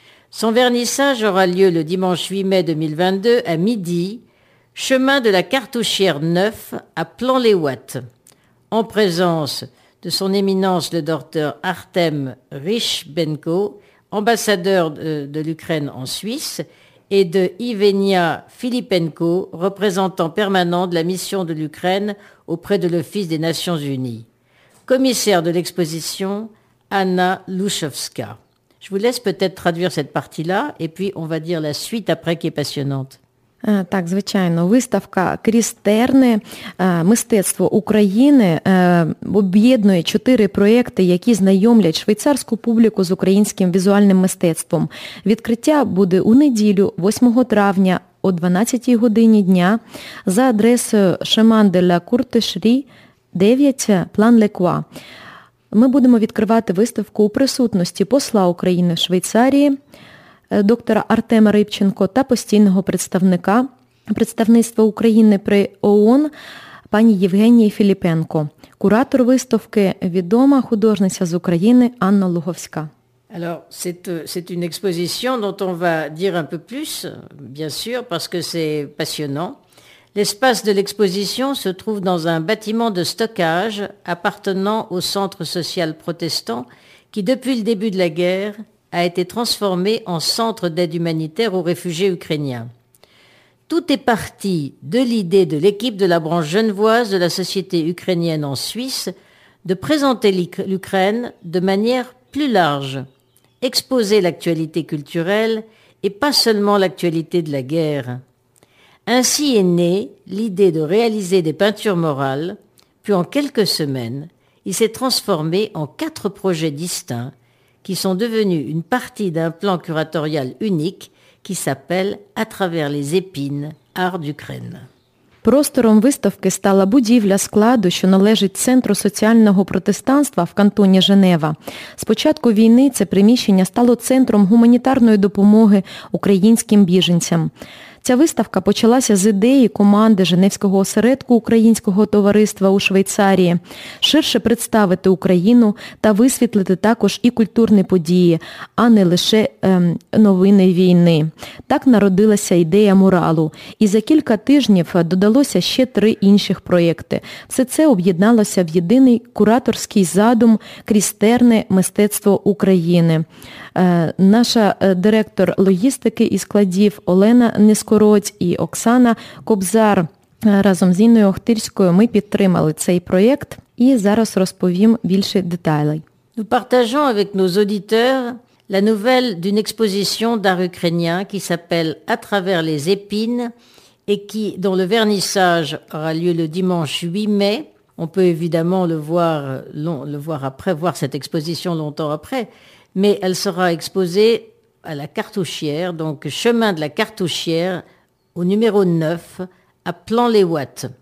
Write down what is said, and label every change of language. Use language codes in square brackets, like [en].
[fr] Son vernissage aura lieu le dimanche 8 mai 2022 à midi, chemin de la Cartouchière 9 à Plan-les-Ouates, en présence de son éminence le docteur Artem Rychbenko, ambassadeur de l'Ukraine en Suisse, et de Ivenia Filipenko, représentant permanent de la mission de l'Ukraine auprès de l'Office des Nations Unies. Commissaire de l'exposition, Anna Lushovska. Je vous laisse peut-être traduire cette partie-là, et puis on va dire la suite après qui est passionnante. [uk] Так, звичайно, виставка «Крістерни. Мистецтво України» об'єднує чотири проєкти, які знайомлять швейцарську публіку з українським візуальним мистецтвом. Відкриття буде у неділю, 8 травня, о 12-й годині дня, за адресою «Шеман де ла Куртешрі, 9, План Лекуа». Ми будемо відкривати виставку у присутності посла України в Швейцарії, доктора Артема Рибченко та постійного представника представництва України при ООН пані Євгенії Філіпенко. Куратор виставки – відома художниця з України Анна Луговська. [fr] Alors, c'est une exposition dont on va dire un peu plus, bien sûr, parce que c'est passionnant. L'espace de l'exposition se trouve dans un bâtiment de stockage appartenant au Centre social protestant qui, depuis le début de la guerre, a été transformé en centre d'aide humanitaire aux réfugiés ukrainiens. Tout est parti de l'idée de l'équipe de la branche genevoise de la société ukrainienne en Suisse de présenter l'Ukraine de manière plus large, exposer l'actualité culturelle et pas seulement l'actualité de la guerre. Ainsi est née l'idée de réaliser des peintures morales, puis en quelques semaines, il s'est transformé en quatre projets distincts qui sont devenus une partie d'un plan curatorial unique qui s'appelle « À travers les épines, art d'Ukraine ». [uk] Простором виставки стала будівля складу, що належить Центру соціального протестанства в кантоні Женева. З початку війни це приміщення стало центром гуманітарної допомоги українським біженцям. Ця виставка почалася з ідеї команди Женевського осередку українського товариства у Швейцарії ширше представити Україну та висвітлити також і культурні події, а не лише новини війни. Так народилася ідея муралу. І за кілька тижнів додалося ще три інших проєкти. Все це об'єдналося в єдиний кураторський задум «Крістерне мистецтво України». Наша директор логістики і складів Олена Нескороць і Оксана Кобзар разом з Інною Охтирською ми підтримали цей проєкт і зараз розповім більше деталей. [fr] Nous partageons avec nos auditeurs la nouvelle d'une exposition d'art ukrainien qui s'appelle « À travers les épines » et qui, dont le vernissage aura lieu le dimanche 8 mai. On peut évidemment voir cette exposition longtemps après, mais elle sera exposée à la Cartouchière, donc chemin de la Cartouchière, au numéro 9, à Plan-les-Ouates.